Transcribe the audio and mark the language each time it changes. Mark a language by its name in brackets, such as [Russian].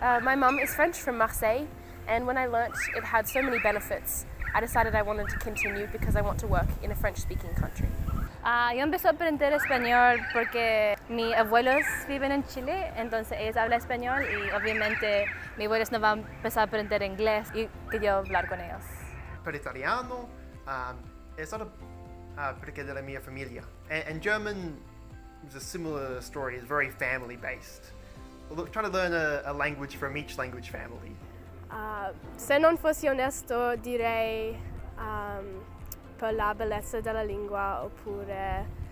[English] My mom is French from Marseille, and when I learnt it had so many benefits, I decided I wanted to continue because I want to work in a French-speaking country. [Spanish] Yo empecé a aprender español porque mis abuelos viven en Chile, entonces ellos hablan español y obviamente mis abuelos no van a empezar a aprender inglés y quería hablar con ellos. [Italian] Per italiano è stato perché della mia famiglia. [English] In German it's a similar story, it's very family based. Trying to learn a language from each language family. [Italian] Se non fossi onesto direi per la bellezza della lingua oppure